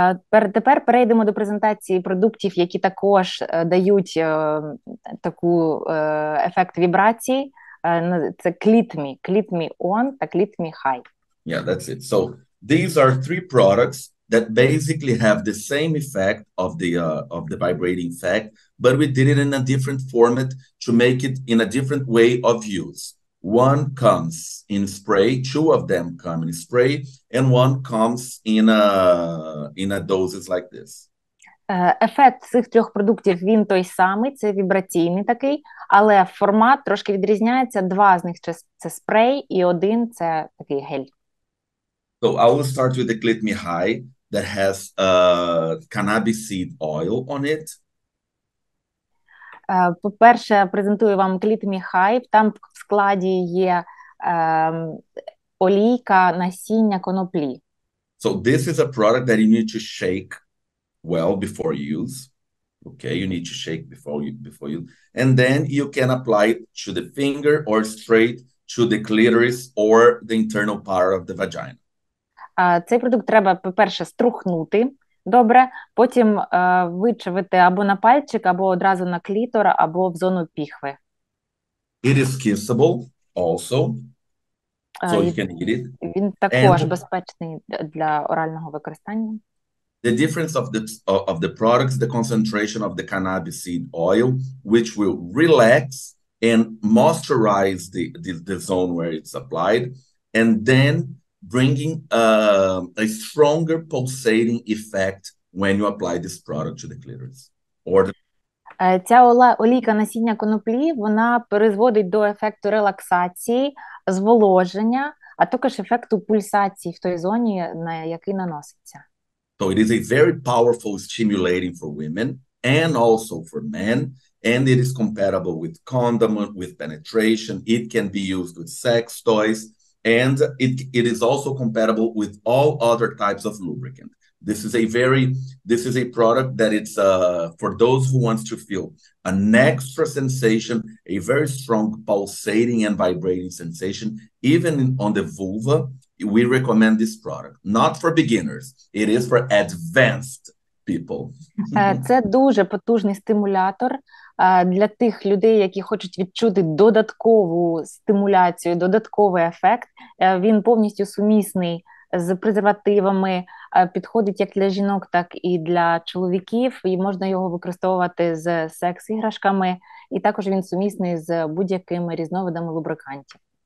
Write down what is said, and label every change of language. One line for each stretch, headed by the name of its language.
Ukrainian: Тепер перейдемо до презентації продуктів, які також дають таку ефект вібрації. Це ClitMe on та ClitMe high.
English: Yeah, that's it. So These are three products that basically have the same effect of the vibrating effect, but we did it in a different format to make it in a different way of use. One comes in spray, two of them come in spray, and one comes in a doses like this.
Ukrainian: Ефект цих трьох продуктів, він той самий, це вібраційний такий, але формат трошки відрізняється. Два з них це спрей і один це такий гель.
English: So I will start with the Glit Me High that has cannabis seed oil on it.
Ukrainian: По-перше, презентую вам Glit Me High. Там в складі є олійка, насіння коноплі.
English: So this is a product that you need to shake well before you use. Okay, you need to shake before you. And then you can apply it to the finger or straight to the clitoris or the internal part of the vagina.
Ukrainian: Цей продукт треба, по-перше, струхнути добре, потім вичавити або на пальчик, або одразу на клітор, або в зону піхви.
English: It is kissable also, so you can eat it.
Ukrainian: Він також and безпечний для орального використання.
English: The difference of the products, the concentration of the cannabis seed oil, which will relax and moisturize the zone where it's applied, and then bringing a stronger pulsating effect when you apply this product to the clitoris. Or the...
Ukrainian: Ця олійка насіння коноплі, вона призводить до ефекту релаксації, зволоження, а також ефекту пульсації в той зоні, на який наноситься.
English: So it is a very powerful stimulating for women and also for men, and it is compatible with condom, with penetration, it can be used with sex toys, and it is also compatible with all other types of lubricant. This is a product that it's for those who wants to feel an extra sensation, a very strong pulsating and vibrating sensation, even on the vulva. We recommend this product, not for beginners, it is for advanced people.
Ukrainian: Це дуже потужний стимулятор для тих людей, які хочуть відчути додаткову стимуляцію, додатковий ефект. Він повністю сумісний з презервативами, підходить як для жінок, так і для чоловіків, і можна його використовувати з секс-іграшками, і також він сумісний з будь-якими різновидами лубрикантів.